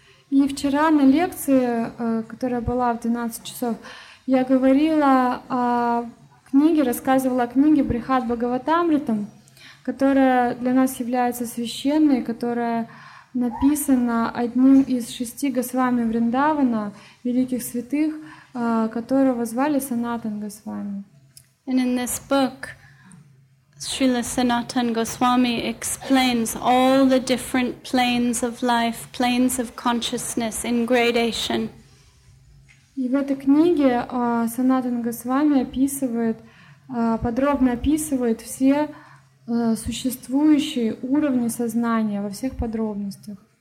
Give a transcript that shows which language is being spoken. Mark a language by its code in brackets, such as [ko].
[ru] И вчера на лекции, которая была в 12 часов, я говорила о книги, рассказывала о книге Брихад Бхагаватамритам, которая для нас является священной, которая написана одним из шести Госвами Вриндавана, великих святых, которого звали Санатан Госвами. [en] And in this book, Srila Sanatan Goswami explains all the different planes of life, planes of consciousness in gradation. [ru] И в этой книге Санатан Госвами описывает подробно описывает все существующие уровни сознания во всех подробностях.